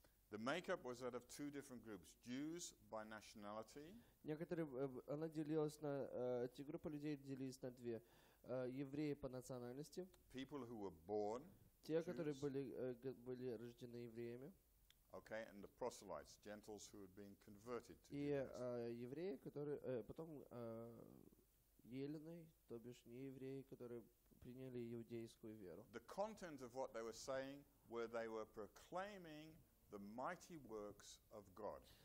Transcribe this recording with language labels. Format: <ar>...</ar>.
<en>The makeup was that of two different groups: Jews by nationality.</en> <ru>Некоторые она делилась на эти группы людей делились на две: евреи по национальности.</ru> <en>People who were born.</en> <ru>Те, которые были рождены евреями.</ru> <en>Okay, and the proselytes, Gentiles who had been converted to</en> <ru>евреи, которые потом еллины, то бишь не евреи, которые приняли иудейскую веру.</ru> <en>The content of what they were saying, where they were proclaiming the mighty works of God.</en>